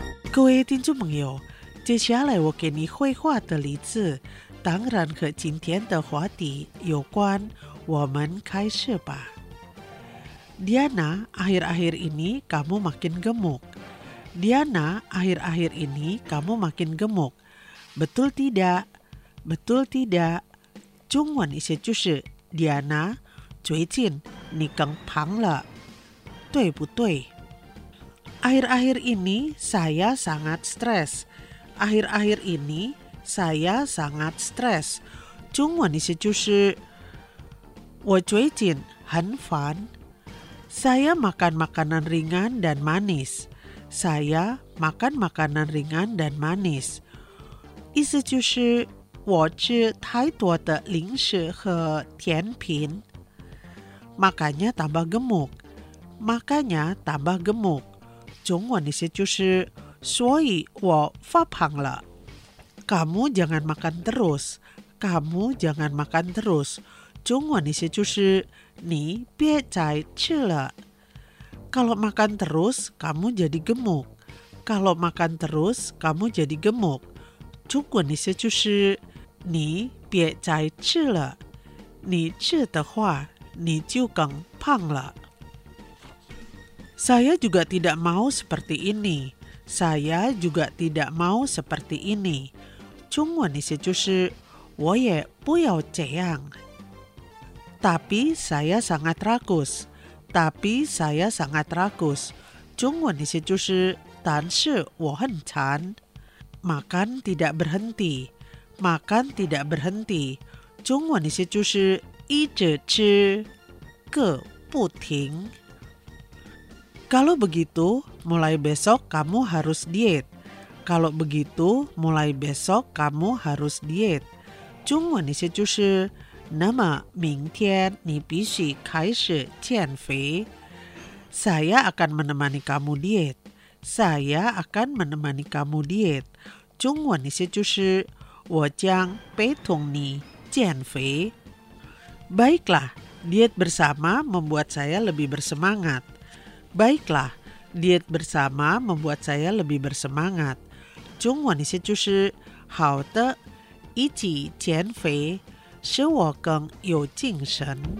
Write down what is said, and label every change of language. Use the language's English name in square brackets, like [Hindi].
[Chinese] 各位听众朋友，接下来我给你绘画的例子，当然和今天的话题有关，我们开始吧。 [Indonesian] Diana, akhir-akhir ini kamu makin gemuk. Diana, akhir-akhir ini kamu makin gemuk. Betul tidak? Betul tidak? [Chinese] 中文意思就是 Diana, 最近你更胖了，对不对？ [Indonesian] Akhir-akhir ini saya sangat stres. Akhir-akhir ini saya sangat stres. [Chinese] 中文意思就是我最近很烦。 [Indonesian] Saya makan makanan ringan dan manis. Saya makan makanan ringan dan manis. [Chinese] 意思就是我吃太多的零食和甜品。 [Indonesian] Makanya tambah gemuk. Makanya tambah gemuk. [Chinese] 中文意思就是所以我发胖了。 [Indonesian] Kamu jangan makan terus. Kamu jangan makan terus. [Chinese] 中文意思就是你别再吃了。 [Indonesian] Kalau makan terus, kamu jadi gemuk. Kalau makan terus, kamu jadi gemuk. [Chinese] 中文意思就是你别再吃了。你吃的话你就更胖了。 [Indonesian] Saya juga tidak mau seperti ini. Saya juga tidak mau seperti ini. [Chinese] 中文意思就是我也不要这样。 [Indonesian] Tapi saya sangat rakus. Tapi saya sangat rakus. [Chinese] 中文意思就是但是我很馋。 [Indonesian] makan tidak berhenti. Makan tidak berhenti. [Chinese] 中文的意思就是 一直吃,个不停. [Indonesian] Kalau begitu, mulai besok kamu harus diet. Kalau begitu, mulai besok kamu harus diet. [Chinese] 中文的意思就是 那么明天你必须开始减肥. [Indonesian] Saya akan menemani kamu diet. Saya akan menemani kamu diet. [Chinese] 中文的意思就是 我将陪同你减肥. [Indonesian] Baiklah, diet bersama membuat saya lebih bersemangat. Baiklah, diet bersama membuat saya lebih bersemangat. [Chinese] 中文的意思就是 好的,一起减肥,使我更有精神.